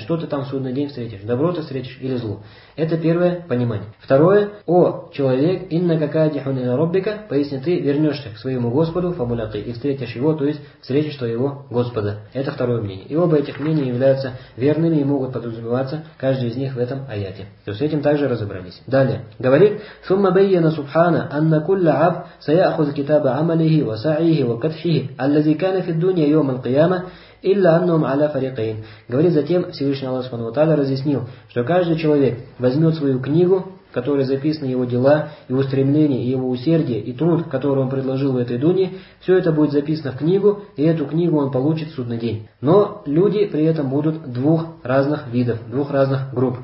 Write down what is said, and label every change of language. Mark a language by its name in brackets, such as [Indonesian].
[Russian] Что ты там в судный день встретишь? Добро ты встретишь или зло? Это первое понимание. Второе. О, человек, [Arabic] инна какая дихуна роббика, [Russian] поясни, ты вернешься к своему Господу, фамуляки, и встретишь его, то есть встретишь твоего Господа. Это второе мнение. И оба этих мнения являются верными и могут подразумеваться каждый из них в этом аяте. То есть с этим также разобрались. Далее. [Arabic] Говорит, ثُمَّ بَيَّنَ سُبْحَانَ أَنَّ كُلَّ عَبْدٍ سَيَأْخُذُ كِتَابَ عَمَلِهِ وَسَعْيِهِ وَكَ الذي كان في الدنيا يوم القيامة إلا أنهم على فريقين. [Russian] Говорит затем Всевышний Аллах Субхану ва Тааля разъяснил, что каждый человек возьмет свою книгу, в которой записаны его дела, его стремления, его усердие и труд, который он предложил в этой дуне, все это будет записано в книгу, и эту книгу он получит в судный день. Но люди при этом будут двух разных видов, двух разных групп.